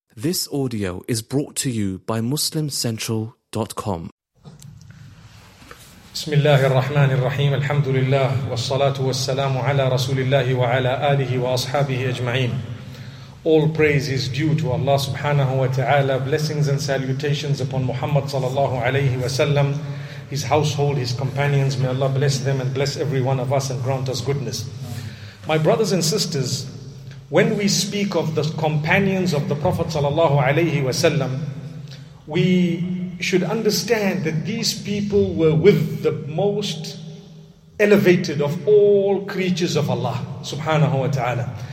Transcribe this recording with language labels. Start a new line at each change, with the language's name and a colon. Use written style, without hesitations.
English: This audio is brought to you by MuslimCentral.com.
Arabic: بسم الله الرحمن الرحيم الحمد لله والصلاة والسلام على رسول الله وعلى آله وأصحابه أجمعين.
English: All praise is due to Allah subhanahu wa ta'ala. Blessings and salutations upon Muhammad sallallahu alayhi wa sallam, his household, his companions. May Allah bless them and bless every one of us and grant us goodness. My brothers and sisters, when we speak of the companions of the Prophet sallallahu alayhi wa sallam, we should understand that these people were with the most elevated of all creatures of Allah subhanahu wa ta'ala.